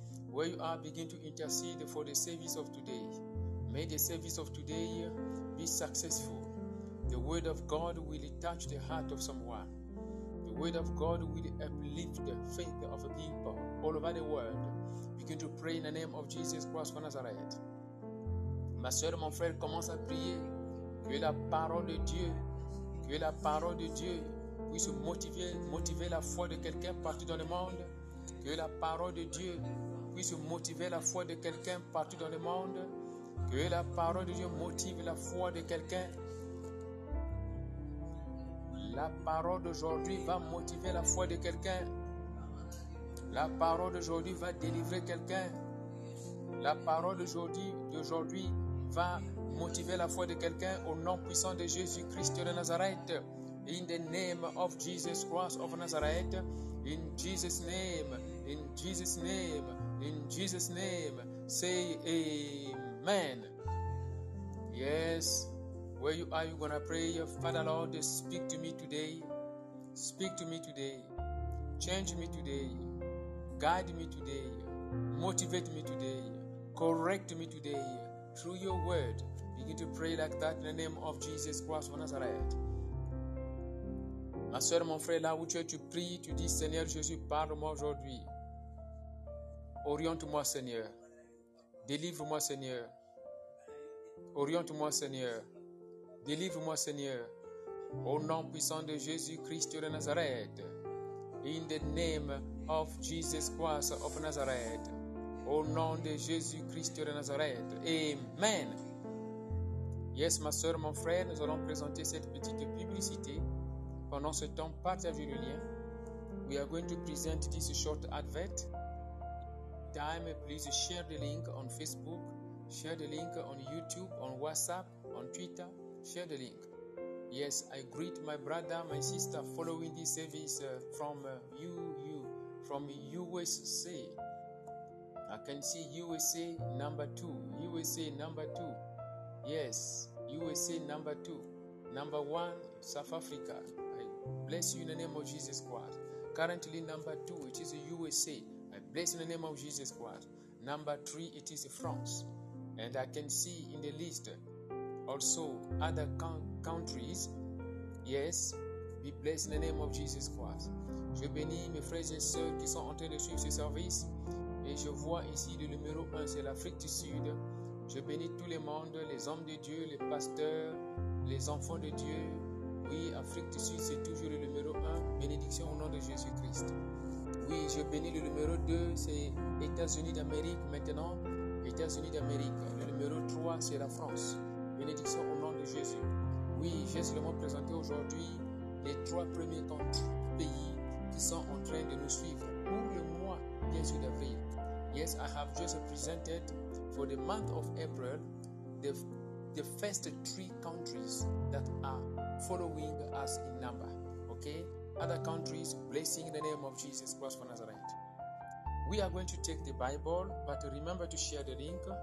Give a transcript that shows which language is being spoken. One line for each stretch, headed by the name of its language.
English: Where you are, begin to intercede for the service of today. May the service of today be successful. The word of God will touch the heart of someone. The word of God will uplift the faith of a people all over the world. Begin to pray in the name of Jesus Christ of Nazareth.
French: Ma soeur, mon frère, commence à prier que la parole de Dieu, que la parole de Dieu puisse motiver la foi de quelqu'un partout dans le monde. Que la parole de Dieu puisse motiver la foi de quelqu'un partout dans le monde. Que la parole de Dieu motive la foi de quelqu'un. La parole d'aujourd'hui va motiver la foi de quelqu'un. La parole d'aujourd'hui va délivrer quelqu'un. La parole d'aujourd'hui va motiver la foi de quelqu'un au nom puissant de Jésus-Christ de Nazareth.
English: In the name of Jesus Christ of Nazareth. In Jesus' name. In Jesus' name. In Jesus' name. Say amen. Yes. Where you are, you're going to pray. Father Lord, speak to me today. Speak to me today. Change me today. Guide me today. Motivate me today. Correct me today. Through your word, begin to pray like that in the name of Jesus Christ of Nazareth.
French: Ma soeur, mon frère, là où tu pries, tu dis, Seigneur Jésus, parle-moi aujourd'hui. Oriente-moi, Seigneur. Délivre-moi, Seigneur. Oriente-moi, Seigneur. Délivre-moi, Seigneur, au nom puissant de Jésus-Christ de Nazareth.
English: In the name of Jesus Christ of Nazareth.
French: Au nom de Jésus-Christ de Nazareth. Amen. Yes, ma soeur, mon frère, nous allons présenter cette petite publicité. Pendant ce temps, partagez le lien.
English: We are going to present this short advert. Time, please share the link on Facebook, share the link on YouTube, on WhatsApp, on Twitter. Share the link. Yes, I greet my brother, my sister following this service from USA. I can see USA number 2. USA number 2. Yes, USA number 2. Number 1, South Africa. I bless you in the name of Jesus Christ. Currently number 2, it is USA. I bless you in the name of Jesus Christ. Number 3, it is France. And I can see in the list also other countries. Yes, be blessed in the name of Jesus Christ.
French: Je bénis mes frères et sœurs qui sont en train de suivre ce service. Et je vois ici le numéro 1, c'est l'Afrique du Sud. Je bénis tout le monde, les hommes de Dieu, les pasteurs, les enfants de Dieu. Oui, Afrique du Sud, c'est toujours le numéro 1. Bénédiction au nom de Jésus Christ. Oui, je bénis le numéro 2, c'est États-Unis d'Amérique maintenant. États-Unis d'Amérique. Le numéro 3, c'est la France. Bénédiction au nom de Jésus. Oui, j'ai seulement présenté aujourd'hui les trois premiers pays qui sont en train de nous suivre pour le mois, bien sûr, d'avril.
English: Yes, I have just presented for the month of April the first three countries that are following us in number. Okay? Other countries, blessing in the name of Jesus Christ of Nazareth. We are going to take the Bible, but remember to share the link.